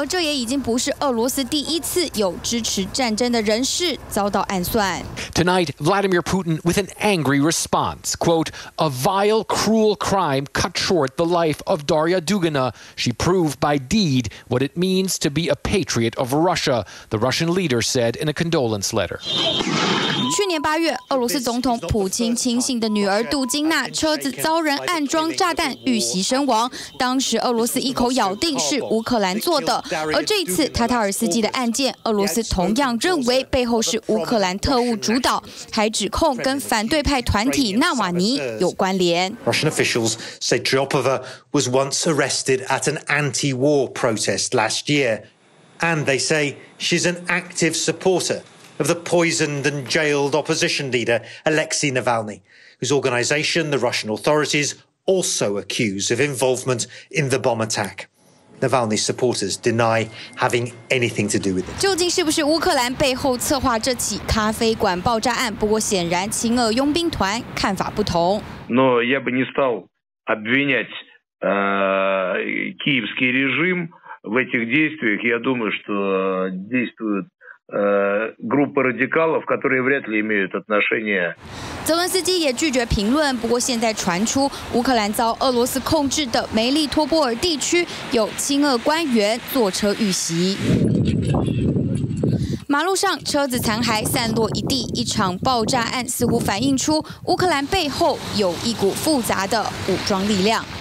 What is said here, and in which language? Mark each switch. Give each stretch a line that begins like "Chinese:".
Chinese: 而这也已经不是俄罗斯第一次有支持战争的人士遭到暗算。
English: Tonight, Vladimir Putin with an angry response, quote, "A vile, cruel crime cut short the life of Darya Dugina. She proved by deed what it means to be a patriot of Russia," the Russian leader said in a condolence letter.
Chinese: 去年八月，俄罗斯总统普京亲信的女儿杜金娜车子遭人暗装炸弹遇袭身亡。当时俄罗斯一口咬定是乌克兰做的，而这次塔塔尔斯基的案件，俄罗斯同样认为背后是乌克兰特务主导，还指控跟反对派团体纳瓦尼有关联。
English: Russian officials say Dryopova was once arrested at an anti-war protest last year, and they say she's an active supporter of the poisoned and jailed opposition leader Alexei Navalny. Whose organization the Russian authorities also accuse of involvement in the bomb attack. Navalny's supporters deny having anything to do with it.
Chinese: 究竟是不是乌克兰背后策划这起咖啡馆爆炸案？不过显然，亲俄佣兵团看法不同。
Russian: Но я бы не стал обвинять киевский режим в этих действиях. Я думаю, что действуют группы радикалов, которые вряд ли имеют отношение.
Chinese: 泽伦斯基也拒绝评论，不过现在传出乌克兰遭俄罗斯控制的梅利托波尔地区有亲俄官员坐车遇袭。马路上车子残骸散落一地，一场爆炸案似乎反映出乌克兰背后有一股复杂的武装力量。